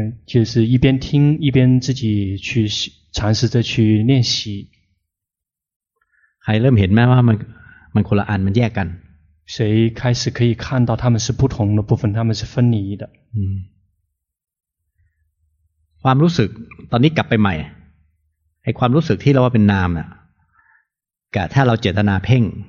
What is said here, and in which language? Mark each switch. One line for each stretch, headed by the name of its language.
Chinese: 就是一边听一边自己去尝试着去练习
Thai: ใครเริ่มเห็นไหมว่ามันคนละอันมันแยกกัน
Chinese: 谁开始可以看到他们是不同的部分他们是分离的
Thai: ความรู้สึกตอนนี้กลับไปใหม่ไอ้ความรู้สึกที่เราว่าเป็นนามน่ะกับถ้าเราเจตนาเพ่ง